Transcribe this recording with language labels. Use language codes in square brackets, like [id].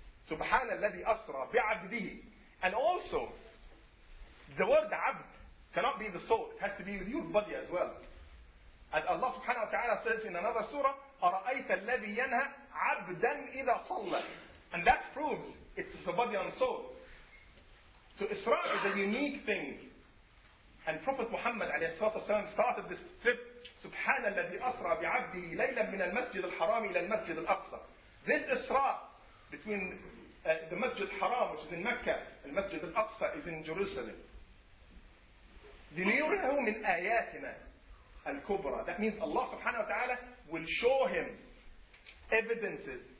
[ar] Subhana alladhi asra bi'abdihi. [en] And also, the word abd cannot be the soul. It has to be with your body as well. And Allah subhanahu wa ta'ala says in another surah, [ar] أَرَأَيْتَ الَّذِي يَنْهَى عَبْدًا إِذَا صَلَّى. [en] And that proves it's the body and the soul. So Isra is a unique thing. And Prophet Muhammad [ar] عليه الصلاة والسلام [en] started this trip, [ar] سُبْحَانَ الَّذِي أَسْرَى بِعَبْدِهِ لَيْلًا مِنَ الْمَسْجِدِ الْحَرَامِ إِلَى الْمَسْجِدِ الْأَقْصَى. [en] This Isra between the Masjid Haram, which is in Mecca, and Masjid al-Aqsa is in Jerusalem. [ar] لِنِيُرَهُ مِنْ آيَاتِنَا الْكُبْرَى. [en] That means Allah subhanahu wa ta'ala will show him evidences.